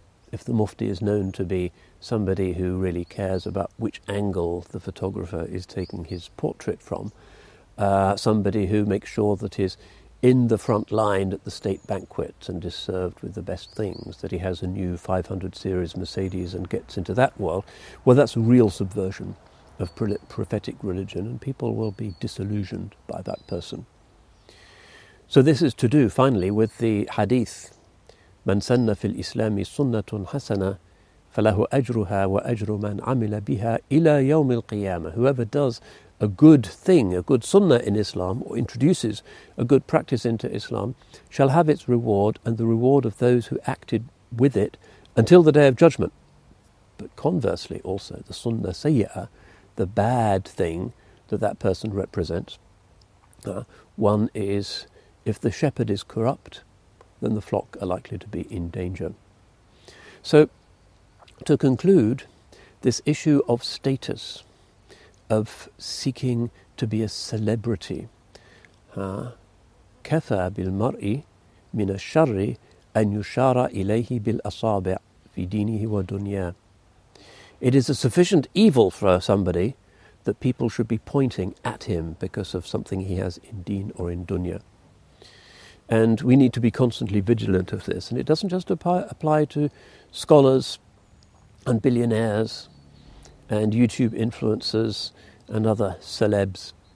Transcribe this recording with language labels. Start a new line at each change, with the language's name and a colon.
English: If the mufti is known to be somebody who really cares about which angle the photographer is taking his portrait from, somebody who makes sure that he's in the front line at the state banquet and is served with the best things, that he has a new 500 series Mercedes and gets into that world, well, that's a real subversion of prophetic religion, and people will be disillusioned by that person. So this is to do, finally, with the hadith,
Arabic: من سن في الإسلام سنة حسنة فله أجرها وأجر من عمل بها إلى يوم القيامة.
English: Whoever does a good thing, a good sunnah in Islam, or introduces a good practice into Islam, shall have its reward and the reward of those who acted with it until the day of judgment. But conversely also, the sunnah sayyi'ah, the bad thing that that person represents, one is, if the shepherd is corrupt, then the flock are likely to be in danger. So, to conclude, this issue of status, of seeking to be a celebrity,
Arabic: كفى بالمرء من الشر أن يشار إليه بالأصابع في دينه ودنياه.
English: It is a sufficient evil for somebody that people should be pointing at him because of something he has in deen or in dunya. And we need to be constantly vigilant of this. And it doesn't just apply to scholars and billionaires and YouTube influencers and other celebs.